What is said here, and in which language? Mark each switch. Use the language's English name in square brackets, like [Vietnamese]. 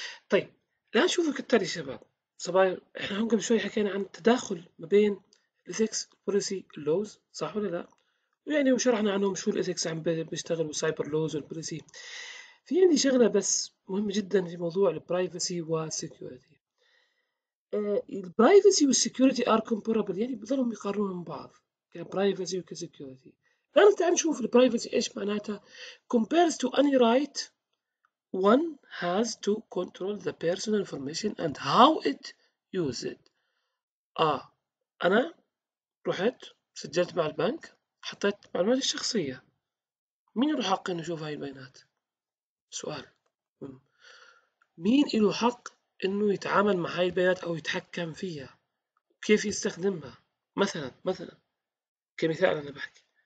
[Arabic] طيب، الآن شوفوا كالتالي شباب، صبايا، إحنا هون قبل شوي حكينا عن التداخل ما بين الـ Ethics Policy Laws، صح ولا لأ؟ ويعني وشرحنا عنهم شو الـ Ethics عم بيشتغل والـ Cyber Laws والـ Policy. في عندي شغلة بس مهمة جدا في موضوع الـ Privacy و Security. الـ Privacy والـ Security are comparable، يعني بيظلهم يقارنون من بعض، كـ Privacy وكـ Security. الآن تعال نشوف الـ privacy إيش معناتها. [English] compares to any right one has to control the personal information and how it used. [Arabic] أنا رحت سجلت مع البنك، حطيت معلومات الشخصية، مين له حق إنه يشوف هاي البيانات؟ سؤال، مين له حق إنه يتعامل مع هاي البيانات أو يتحكم فيها؟ كيف يستخدمها؟ مثلا كمثال أنا بحكي.